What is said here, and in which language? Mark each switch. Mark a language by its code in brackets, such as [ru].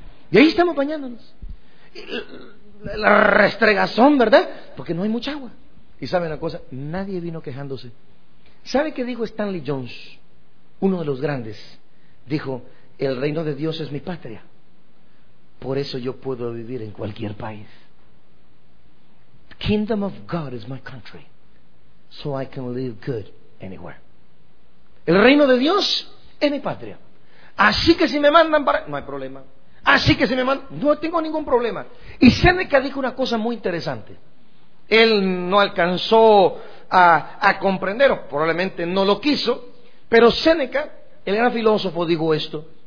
[es] Y ahí estamos bañándonos. Y la restregazón, ¿verdad? Porque no hay mucha agua. Y ¿sabe una cosa? Nadie vino quejándose. ¿Sabe qué dijo Stanley Jones? Uno de los grandes. Dijo, el reino de Dios es mi patria. Por eso yo puedo vivir en cualquier país. [en] The kingdom of God is my country. So I can live good anywhere. [es] El reino de Dios es mi patria. Así que si me mandan para... No hay problema. Así que si me mandan... No tengo ningún problema. Y Séneca dijo una cosa muy interesante. Él no alcanzó a comprender, o probablemente no lo quiso, pero Séneca, el gran filósofo, dijo esto.